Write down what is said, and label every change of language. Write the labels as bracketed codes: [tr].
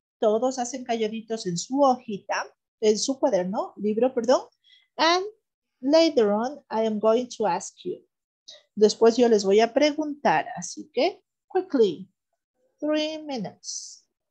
[es] Todos hacen calladitos en su hojita, en su cuaderno, libro, perdón. [en] And later on, I am going to ask you. [es] Después yo les voy a preguntar, así que, [en] quickly, 3 minutes.